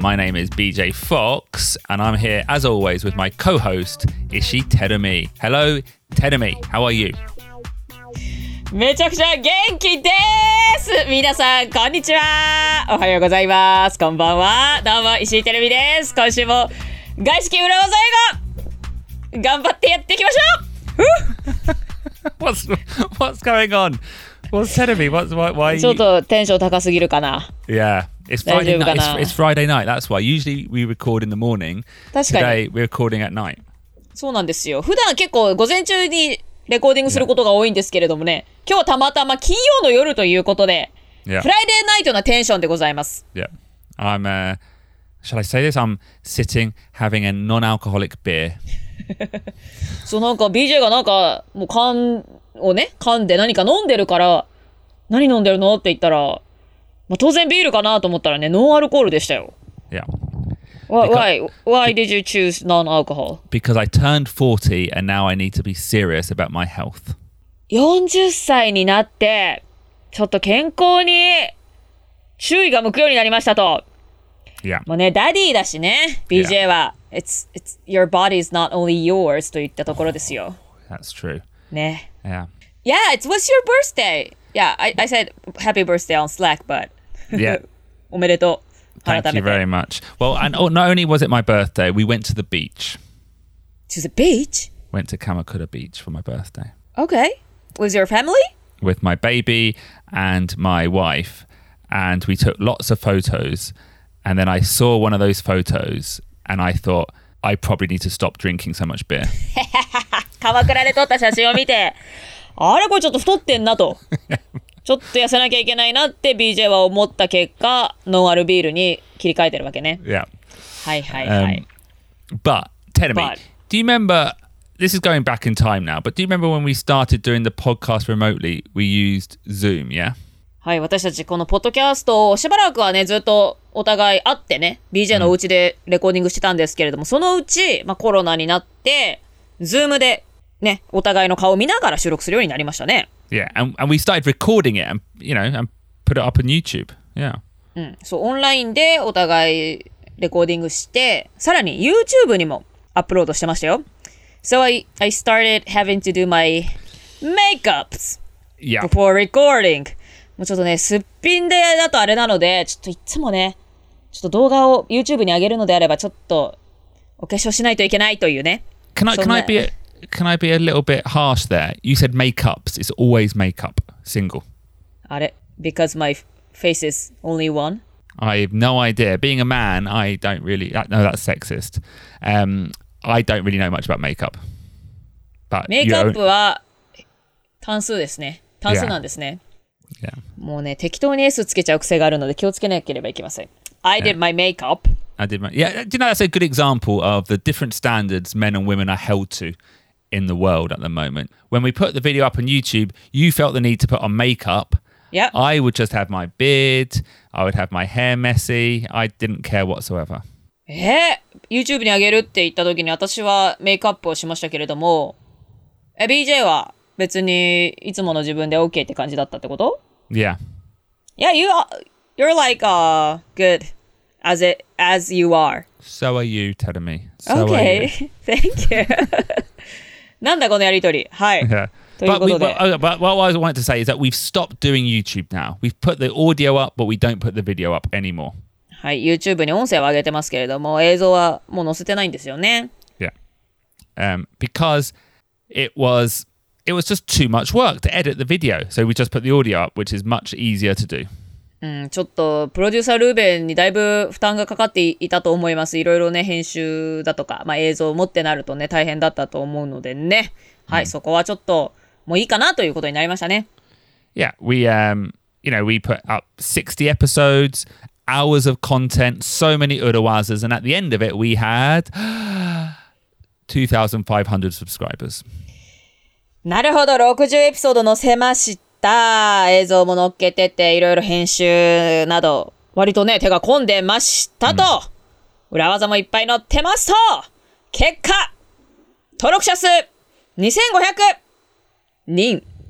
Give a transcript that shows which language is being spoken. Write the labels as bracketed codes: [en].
[en] My name is BJ Fox, and I'm here, as always, with my co-host, Ishii Terumi. Hello, Terumi. How are you? [ja] めちゃくちゃ元気です。皆さんこんにちは。おはようございます。こんばんは。どうも石井テレビです。今週も外資系裏技英語頑張ってやっていきましょう。 [en] What's going on? What's Teremi? Why? [ja] ちょっとテンション高すぎるかな。 [en] Yeah, it's Friday night. It's Friday night. That's why. Usually we record in the morning. [ja] 確かに。 [en] Today we're recording at night. [ja] そうなんですよ。普段結構午前中に。レコーディングすることが多いんですけれどもね、yeah. 今日たまたま金曜の夜ということで、yeah. フライデーナイトなテンションでございます。 [en] Yeah. I'm, shall I say this? I'm sitting having a non-alcoholic beer. [ja] そう、なんか BJ がなんかもう缶をね、噛んで何か飲んでるから、何飲んでるのって言ったら、まあ、当然ビールかなと思ったらね、ノンアルコールでしたよ。 [en] Why did you choose non-alcohol? Because I turned 40 and now I need to be serious about my health. [ja] 40歳になってちょっと健康に注意が向くようになりましたと。 [en] Yeah. [ja] もうね、ダディだしね、BJ は。 [en] Yeah. It's your body is not only yours [ja] といったところですよ。 [en] That's true. [ja] ね。 [en] Yeah. Yeah, it was your birthday. Yeah, I said happy birthday on Slack, but... Yeah. [ja] おめでとう。 [en] Thank you very much. Well, and not only was it my birthday, we went to the beach. To the beach? Went to Kamakura Beach for my birthday. Okay. Was your family? With my baby and my wife. And we took lots of photos. And then I saw one of those photos and I thought, I probably need to stop drinking so much beer. [ja] Kamakura で撮った写真を見て、あれこれちょっと太ってんなと。ちょっと痩せなきゃいけないなって BJ は思った結果、ノンアルビールに切り替えてるわけね。 [en] Yeah. [ja] はいはいはい。 [en] But, tell me, do you remember, this is going back in time now, but do you remember when we started doing the podcast remotely, we used Zoom, yeah? [ja] はい、私たちこのポッドキャストをしばらくはね、ずっとお互い会ってね、BJ のお家でレコーディングしてたんですけれども、そのうち、まあ、コロナになって、Zoom でね、お互いの顔を見ながら収録するようになりましたね。 [en] Yeah, and we started recording it, and you know, and put it up on YouTube. Yeah. [ja] うん、そう、オンラインでお互いレコーディングして、さらに YouTube にもアップロードしてましたよ。 [en] So I started having to do my makeups before recording. [ja] もうちょっとね、すっぴんでだとあれなので、ちょっといつもね、ちょっと動画を YouTube に上げるのであれば、ちょっとお化粧しないといけないというね。 [en] Can I be a little bit harsh there? You said makeups. It's always makeup, single. Are it? Because my face is only one? I have no idea. Being a man, I don't really... No, that's sexist. I don't really know much about makeup. [ja] But makeup は単数ですね。単数なんですね。 [en] Yeah. [ja] もうね、適当に S つけちゃう癖があるので気をつけなければいけません。 [en] I did my makeup. I did my... Yeah, do you know that's a good example of the different standards men and women are held to? In the world at the moment. When we put the video up on YouTube, you felt the need to put on makeup. Yeah. I would just have my beard, I would have my hair messy, I didn't care whatsoever. [ja] YouTube に上げるって言った時に私はメイクアップをしましたけれども、BJ は別にいつもの自分で OK って感じだったってこと? [en] Yeah. Yeah, you're like, good as you are. So are you, Terumi. So okay, are you. Thank you. [ja] なんだこのやりとり。はい。ということで。 [en] But what I wanted to say is that we've stopped doing YouTube now. We've put the audio up, but we don't put the video up anymore. [ja] はい。 YouTube に音声は上げてますけれども、映像はもう載せてないんですよね。 [en] Yeah. Because it was just too much work to edit the video. So we just put the audio up, which is much easier to do. [ja] うん、ちょっとプロデューサールーベンにだいぶ負担がかかっていたと思います。いろいろね、編集だとか、まあ、映像を持ってなるとね、大変だったと思うのでね。はい、そこはちょっともういいかなということになりましたね。 [en] Yeah, we put up 60 episodes, hours of content, so many urawazas, and at the end of it, we had 2,500 subscribers. [ja] なるほど、60エピソード載せました。映像も乗っけてて、いろいろ編集など、割とね、手が込んでましたと、裏技もいっぱい載ってますと、結果、登録者数2500人。